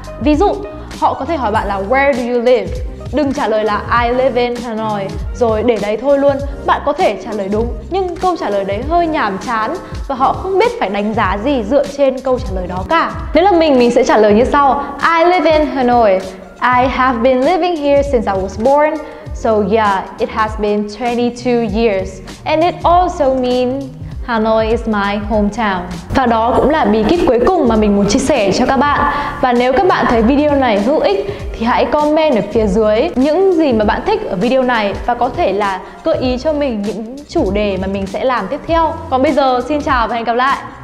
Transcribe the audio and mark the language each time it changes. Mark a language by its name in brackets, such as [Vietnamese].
[Vietnamese] Ví dụ, họ có thể hỏi bạn là [English] where do you live? [Vietnamese] Đừng trả lời là [English] I live in Hanoi [Vietnamese] rồi để đấy thôi luôn. Bạn có thể trả lời đúng nhưng câu trả lời đấy hơi nhàm chán và họ không biết phải đánh giá gì dựa trên câu trả lời đó cả. Nếu là mình sẽ trả lời như sau: [English] I live in Hanoi. I have been living here since I was born. So yeah, it has been 22 years. And it also means Hanoi is my hometown. [Vietnamese] Và đó cũng là bí kíp cuối cùng mà mình muốn chia sẻ cho các bạn. Và nếu các bạn thấy video này hữu ích thì hãy comment ở phía dưới những gì mà bạn thích ở video này và có thể là gợi ý cho mình những chủ đề mà mình sẽ làm tiếp theo. Còn bây giờ, xin chào và hẹn gặp lại!